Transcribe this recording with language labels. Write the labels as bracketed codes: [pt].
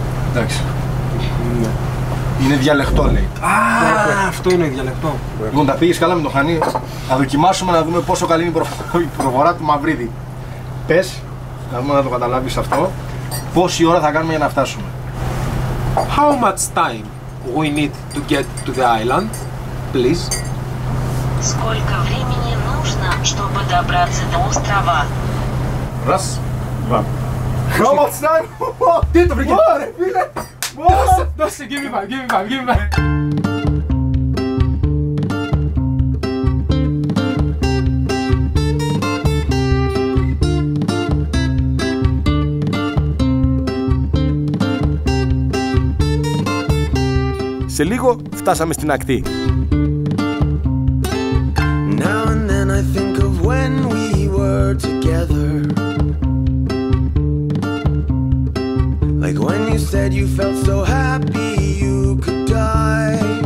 [el] Εντάξει. Είναι διαλεκτό, λέει. Α, αυτό είναι διαλεκτό. Λοιπόν, τα πήγες καλά με τον Χανί. Θα δοκιμάσουμε να δούμε πόσο καλή είναι η προφορά του Μαυρίδη. Πες, θα δούμε να το καταλάβεις αυτό. Πόση ώρα θα κάνουμε για να φτάσουμε. [en] How much time we need to get to the island, please? [ru] Сколько времени нужно, чтобы добраться до острова? Раз, два. [en] How much time? [el] Τι το βρήκε! Ωραία, φίλε! Δώσε, σε λίγο φτάσαμε στην ακτή. [en] Now and then I think of when we were together. Like when you said you felt so happy you could die.